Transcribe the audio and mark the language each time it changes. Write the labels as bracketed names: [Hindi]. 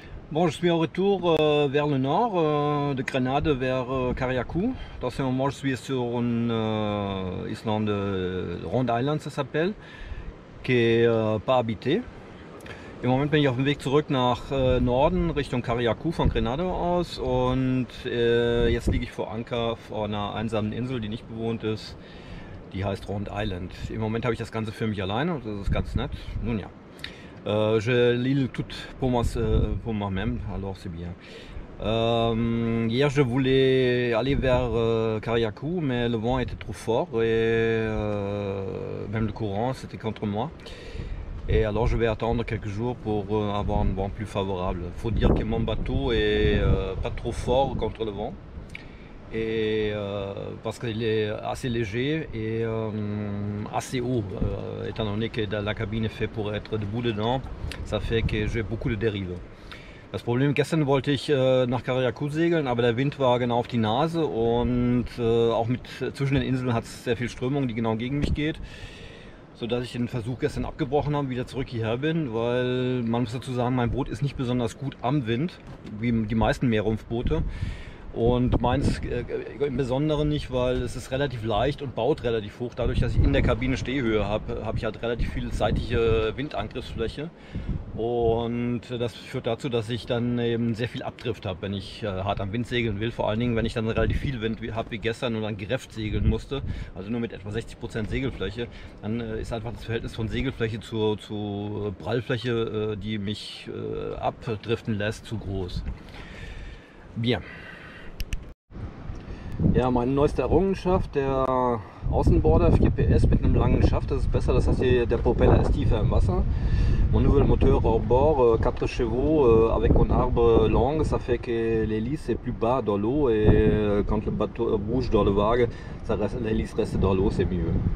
[French] Bon, je suis en retour vers le nord de Grenade vers Carriacou. Dans ce moment, je suis sur une Islande, Rhode Island, ça s'appelle, qui est pas habitée. [German] Im Moment bin ich auf dem Weg zurück nach Norden, Richtung Carriacou von Grenada aus. Und jetzt liege ich vor Anker vor einer einsamen Insel, die nicht bewohnt ist. Die heißt Rhode Island. Im Moment habe ich das Ganze für mich alleine und das ist ganz nett. Nun ja. [French] Je lis tout pour moi-même, alors c'est bien. Hier, je voulais aller vers Carriacou, mais le vent était trop fort et même le courant, c'était contre moi. Et alors je vais attendre quelques jours pour avoir un vent plus favorable. Il faut dire que mon bateau est pas trop fort contre le vent. Et parce qu'il est assez léger et assez haut. Étant donné que la cabine est faite pour être debout dedans, ça fait que j'ai beaucoup de dérives. [German] Das Problem, gestern wollte ich nach Carriacou segeln, aber der Wind war genau auf die Nase. Und auch mit zwischen den Inseln hat es sehr viel Strömung, die genau gegen mich geht. So dass ich den Versuch gestern abgebrochen habe, wieder zurück hierher bin, weil man muss dazu sagen, mein Boot ist nicht besonders gut am Wind, wie die meisten Meerrumpfboote. Und meins im Besonderen nicht, weil es ist relativ leicht und baut relativ hoch. Dadurch, dass ich in der Kabine Stehhöhe habe, habe ich halt relativ viel seitliche Windangriffsfläche. Und das führt dazu, dass ich dann eben sehr viel Abdrift habe, wenn ich hart am Wind segeln will. Vor allen Dingen, wenn ich dann relativ viel Wind habe wie gestern und dann gerefft segeln musste, also nur mit etwa 60% Segelfläche, dann ist einfach das Verhältnis von Segelfläche zu Prallfläche, die mich abdriften lässt, zu groß. Bien. Ja, meine neueste Errungenschaft, der Außenborder 4 PS mit einem langen Schaft, das ist besser, das heißt hier, der Propeller ist tiefer im Wasser. [French] Mon nouvel moteur au bord, 4 chevaux, avec un arbre long, ça fait que l'hélice est plus bas dans l'eau et quand le bateau bouge dans le vague, l'hélice reste dans l'eau, c'est mieux.